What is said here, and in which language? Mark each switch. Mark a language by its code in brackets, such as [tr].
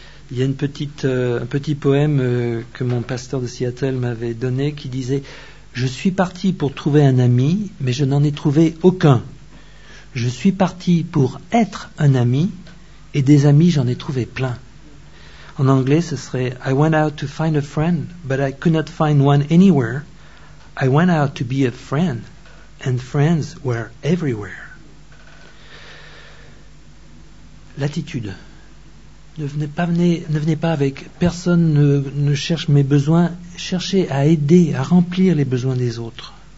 [fr] Il y a un petit poème que mon pasteur de Seattle m'avait donné qui disait « Je suis parti pour trouver un ami, mais je n'en ai trouvé aucun. Je suis parti pour être un ami, et des amis, j'en ai trouvé plein. » En anglais, ce serait « [en] I went out to find a friend, but I could not find one anywhere. I went out to be a friend. » And friends were everywhere. [fr] L'attitude. Ne venez pas avec personne ne cherche mes besoins. Cherchez à aider, à remplir les besoins des autres.